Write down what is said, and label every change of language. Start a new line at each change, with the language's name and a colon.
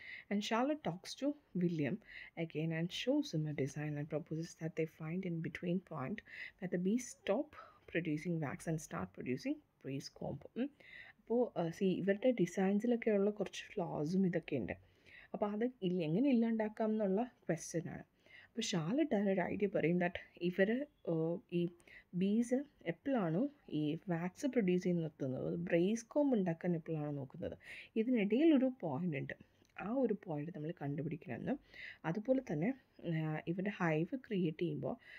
English: And Charlotte talks to William again and shows him a design and proposes that they find in between point where the bees stop producing wax and start producing bees comb.
Malayalam: അപ്പോൾ C ഇവരുടെ ഡിസൈൻസിലൊക്കെ ഉള്ള കുറച്ച് ഫ്ലോസും ഇതൊക്കെ ഉണ്ട്. അപ്പോൾ അത് ഇല്ല എങ്ങനെ ഇല്ലാണ്ടാക്കാം എന്നുള്ള ക്വസ്റ്റ്യൻ ആണ്. അപ്പോൾ ഷാർലറ്റ് അതിനൊരു ഐഡിയ പറയും ദാറ്റ് ഇവർ ഈ ബീസ് എപ്പോഴാണോ ഈ വാക്സ് പ്രൊഡ്യൂസ് ചെയ്ത് നിർത്തുന്നത്, ബ്രേസ് കോംബ് ഉണ്ടാക്കാൻ എപ്പോഴാണോ നോക്കുന്നത്, ഇതിനിടയിൽ ഒരു പോയിൻ്റ് ഉണ്ട്, ആ ഒരു പോയിൻ്റ് നമ്മൾ കണ്ടുപിടിക്കണമെന്നും അതുപോലെ തന്നെ ഇവരുടെ ഹൈവ് ക്രിയേറ്റ് ചെയ്യുമ്പോൾ